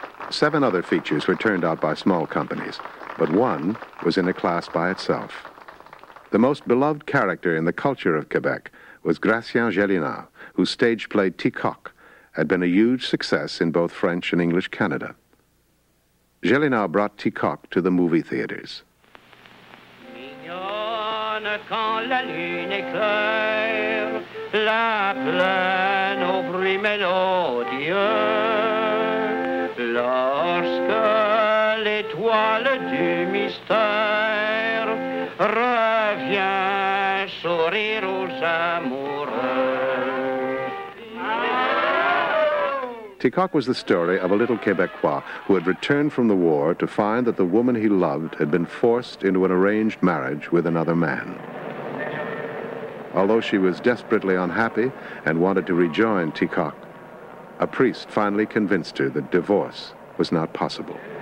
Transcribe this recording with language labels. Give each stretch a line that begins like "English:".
English: Seven other features were turned out by small companies, but one was in a class by itself. The most beloved character in the culture of Quebec was Gratien Gélinas, whose stage play Ticoc had been a huge success in both French and English Canada. Gélinas brought Ticoc to the movie theaters.
French: Mignonne, quand la lune éclaire, la plaine au bruit mélodieux, lorsque l'étoile du mystère revient sourire aux amoureux.
English: Ticoc was the story of a little Quebecois who had returned from the war to find that the woman he loved had been forced into an arranged marriage with another man. Although she was desperately unhappy and wanted to rejoin Ticoc, a priest finally convinced her that divorce was not possible.